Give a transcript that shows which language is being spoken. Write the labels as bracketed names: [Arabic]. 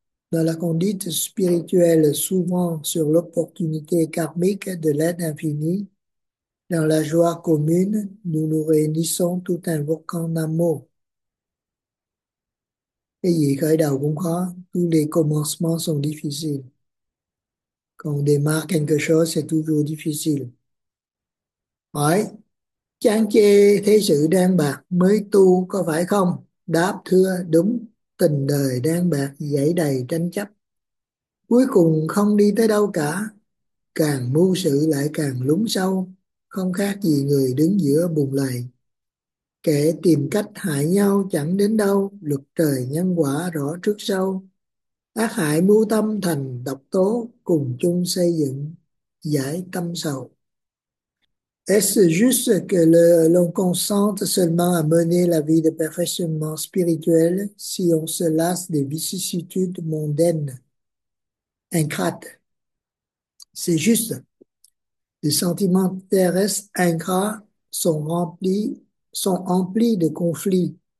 [French] Dans la conduite spirituelle, souvent sur l'opportunité karmique de l'aide infinie, dans la joie commune, nous nous réunissons tout un volcan d'amour. [Vietnamese] Cái gì khởi đầu cũng khó, [French] tous les commencements sont difficiles. Quand on démarre quelque chose, c'est toujours difficile. [Vietnamese] Hỏi: chán chê thế sự đang bạc mới tu có phải không? Đáp thưa: đúng, tình đời đang bạc dãy đầy tranh chấp, cuối cùng không đi tới đâu cả, càng mưu sự lại càng lún sâu, không khác gì người đứng giữa bùn lầy. Kẻ tìm cách hại nhau chẳng đến đâu, luật trời nhân quả rõ trước sau, ác hại mưu tâm thành độc tố, cùng chung xây dựng giải tâm sầu. [French] Est-ce juste que l'on consente seulement à mener la vie de perfectionnement spirituel si on se lasse des vicissitudes mondaines, ingrates? C'est juste. Les sentiments terrestres ingrats sont emplis de conflits.